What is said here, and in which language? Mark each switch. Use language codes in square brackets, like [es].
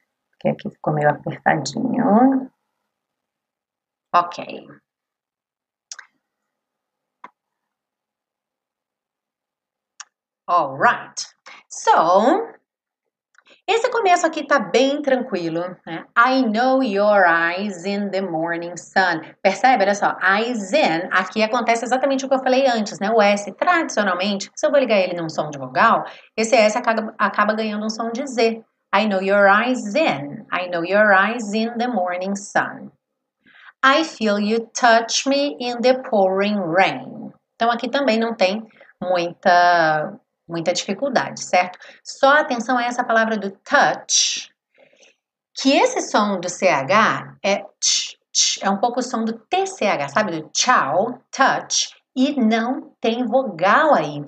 [pt] Porque aqui ficou meio apertadinho. Ok. All right. So, esse começo aqui tá bem tranquilo, né? [en] I know your eyes in the morning sun. [pt] Percebe? Olha só. [en] Eyes in. [pt] Aqui acontece exatamente o que eu falei antes, né? O S, tradicionalmente, se eu vou ligar ele num som de vogal, esse S acaba ganhando um som de Z. [en] I know your eyes in. I know your eyes in the morning sun. I feel you touch me in the pouring rain. [pt] Então, aqui também não tem muita dificuldade, certo? Só atenção a essa palavra do touch, que esse som do CH é tch, tch, é um pouco o som do TCH, sabe? Do tchau, touch, e não tem vogal aí.